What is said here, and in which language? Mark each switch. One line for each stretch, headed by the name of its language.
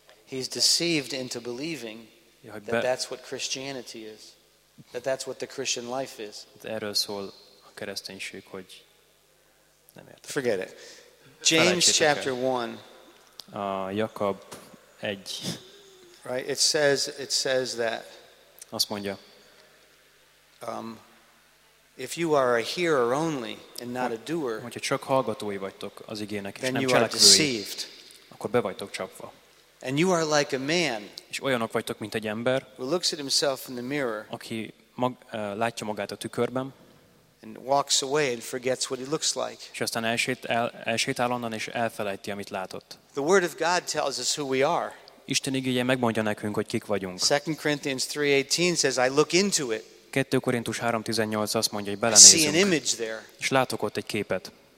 English: He's deceived into believing that that's what Christianity is, that that's what the Christian life is.
Hungarian: Erről szól a kereszténység, hogy nem értem.
English: Forget it. James chapter 1.
Hungarian: Jakab 1.
English: Right, it says that.
Hungarian: Azt mondja.
English: If you are a hearer only and not a doer,
Hungarian: hogyha csak hallgatói vagytok az igének, és nem cselekvői, akkor be vagytok csapva.
English: And you are like a man,
Hungarian: és olyanok vagytok, mint egy ember,
English: who looks at himself in the mirror,
Hungarian: aki látja magát a tükörben,
English: and walks away and forgets what he looks like.
Hungarian: És aztán elsétál onnan, és elfelejti, amit látott.
English: The word of God tells us who we are.
Hungarian: Isten igéje megmondja nekünk, hogy kik vagyunk.
English: 2 Corinthians 3:18 says, I look into it.
Hungarian: 2 Korintus 3:18 azt mondja, hogy belenézünk, és látok ott egy képet.